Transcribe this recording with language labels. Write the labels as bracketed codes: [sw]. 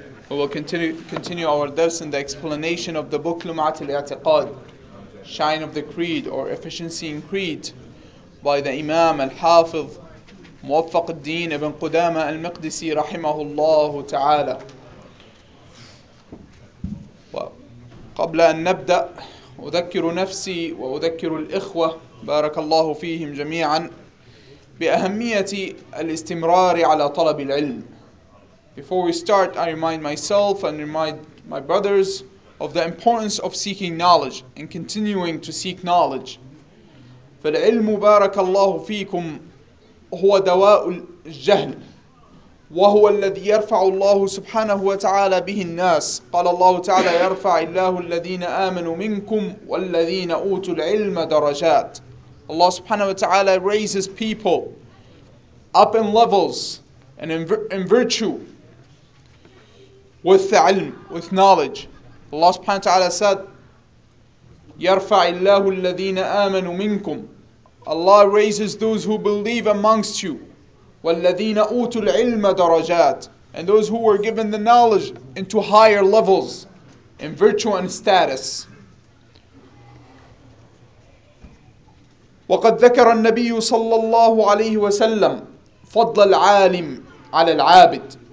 [en] We will continue our درس in the explanation of the book لمعة الاعتقاد Shine of the Creed or Efficiency in Creed by the Imam Al-Hafiz Muwaffaq al-Din ibn Qudama al-Miqdisi rahimahullah ta'ala. [ar] قبل أن نبدأ أذكر نفسي وأذكر الإخوة بارك الله فيهم جميعا بأهمية الاستمرار على طلب العلم. [en] Before we start, I remind myself and remind my brothers of the importance of seeking knowledge and continuing to seek knowledge. [ar] فالعلم بارك الله فيكم هو دواء الجهل وهو الذي يرفع الله سبحانه وتعالى به الناس. قال الله تعالى يرفع الله الذين آمنوا منكم والذين أوتوا العلم درجات. [en] Allah سبحانه وتعالى raises people up in levels and in virtue with the علم, with knowledge. Allah subhanahu wa ta'ala said, [ar] يَرْفَعِ اللَّهُ الَّذِينَ آمَنُوا مِنْكُمْ. [en] Allah raises those who believe amongst you. [ar] وَالَّذِينَ أُوتُوا الْعِلْمَ دَرَجَاتٍ. [en] And those who were given the knowledge into higher levels in virtue and status. [ar] وَقَدْ ذَكَرَ النَّبِيُّ صَلَّى اللَّهُ عَلَيْهِ وَسَلَّمْ فَضْلَ الْعَالِمِ عَلَى الْعَابِدِ.